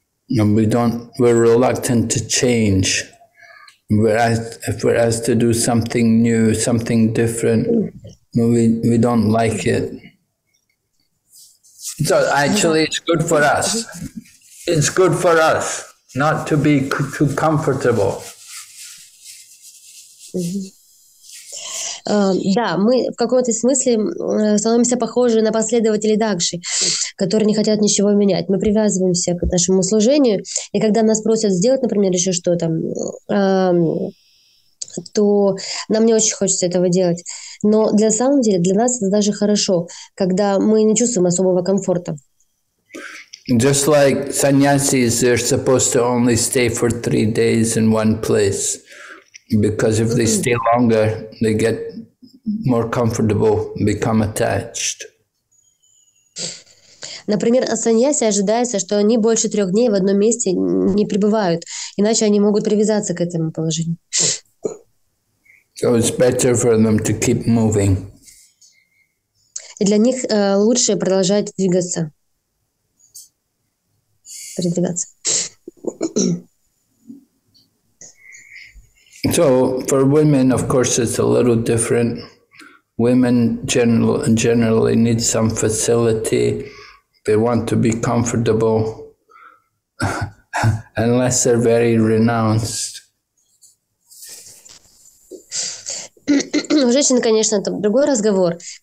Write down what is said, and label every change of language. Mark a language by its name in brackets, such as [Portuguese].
[English] And we're reluctant to change. If we're asked to do something new, something different, we don't like it. So actually it's good for us. It's good for us not to be too comfortable. [Russian] Да, мы в каком-то смысле становимся похожи на последователей Дакши, которые не хотят ничего менять. Мы привязываемся к нашему служению, и когда нас просят сделать, например, еще что-то, то нам не очень хочется этого делать. Но для самом деле для нас это даже хорошо, когда мы не чувствуем особого комфорта. [English] Just like sannyasis, they're supposed to only stay for 3 days in one place. Because if they stay longer, they get more comfortable, become attached. [Russian] Например, саньяси ожидается, что они больше 3 дней в одном месте не пребывают, иначе они могут привязаться к этому положению. [English] So it's better for them to keep moving. [Russian] И для них лучше продолжать двигаться. Передвигаться. [English] So for women, of course, it's a little different. Women generally need some facility. They want to be comfortable, unless they're very renounced. [Russian] У женщин, конечно, это другой разговор.